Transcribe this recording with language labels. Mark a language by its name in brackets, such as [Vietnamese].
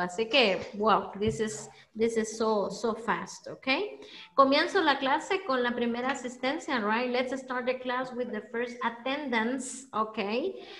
[Spanish] Así que, [English] wow, this is so fast, okay? [Spanish] Comienzo la clase con la primera asistencia, right? [English] Let's start the class with the first attendance, okay?